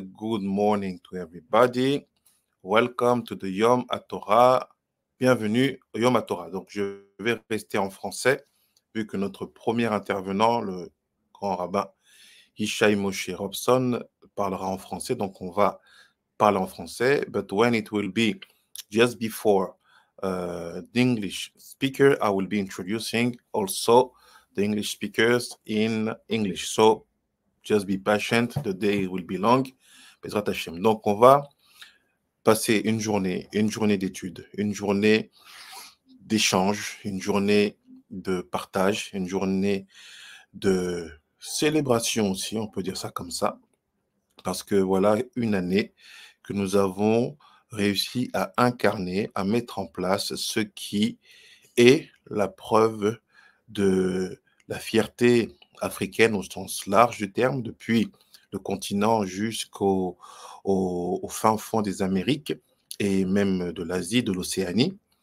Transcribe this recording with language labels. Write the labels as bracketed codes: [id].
[en] Good morning to everybody. Welcome to the Yom HaTorah. [fr] Bienvenue au Yom HaTorah. Donc, je vais rester en français, vu que notre premier intervenant, le grand rabbin Ishai Moshe Robson, parlera en français. Donc, on va parler en français. [en] But when it will be just before the English speaker, I will be introducing also the English speakers in English. So, just be patient, the day will be long. [fr] Donc, on va passer une journée d'études, une journée d'échange, une journée de partage, une journée de célébration aussi, on peut dire ça comme ça, parce que voilà une année que nous avons réussi à incarner, à mettre en place ce qui est la preuve de la fierté africaine au sens large du terme, depuis le continent jusqu'au fin fond des Amériques et même de l'Asie, de l'Océanie.